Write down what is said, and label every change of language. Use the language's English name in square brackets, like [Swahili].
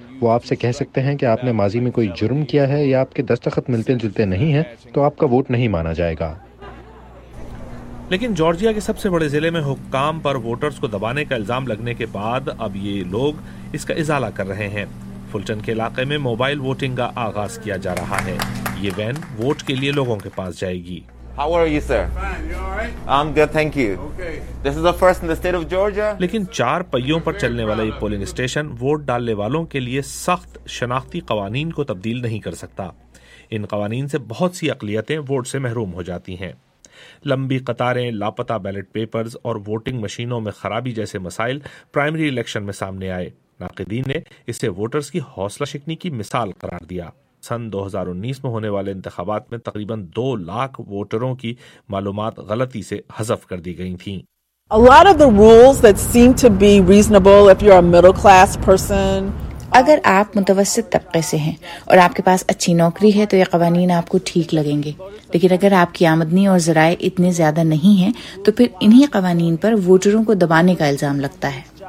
[Urdu] وہ آپ سے کہہ سکتے ہیں کہ آپ نے ماضی میں کوئی جرم کیا ہے یا آپ کے دستخط ملتے جلتے نہیں ہیں تو آپ کا ووٹ نہیں مانا جائے گا. لیکن جارجیا کے سب سے بڑے ضلع میں حکام پر ووٹرز کو دبانے کا الزام لگنے کے بعد اب یہ لوگ اس کا ازالہ کر رہے ہیں. فلٹن کے علاقے میں موبائل ووٹنگ کا آغاز کیا جا رہا ہے. یہ وین ووٹ کے لیے لوگوں کے پاس جائے گی. [English] How are you, sir? Fine, you all right? I'm good, thank you. Okay. This is the first in the state of Georgia. [Urdu] لیکن چار پہیوں پر چلنے والا یہ پولنگ اسٹیشن ووٹ ڈالنے والوں کے لیے سخت شناختی قوانین کو تبدیل نہیں کر سکتا. ان قوانین سے بہت سی اقلیتیں ووٹ سے محروم ہو جاتی ہیں. لمبی قطاریں، لاپتہ بیلٹ پیپرز اور ووٹنگ مشینوں میں خرابی جیسے مسائل پرائمری الیکشن میں سامنے آئے. ناقدین نے اسے ووٹرز کی حوصلہ شکنی کی مثال قرار دیا. سن 2019 میں ہونے والے انتخابات میں تقریباً 200,000 ووٹروں کی معلومات غلطی سے حذف کر دی گئی تھیں. [English] A lot of the rules that seem to be reasonable if you're a middle class person. [Urdu] اگر آپ متوسط طبقے سے ہیں اور آپ کے پاس اچھی نوکری ہے تو یہ قوانین آپ کو ٹھیک لگیں گے، لیکن اگر آپ کی آمدنی اور ذرائع اتنے زیادہ نہیں ہیں تو پھر انہی قوانین پر ووٹروں کو دبانے کا الزام لگتا ہے.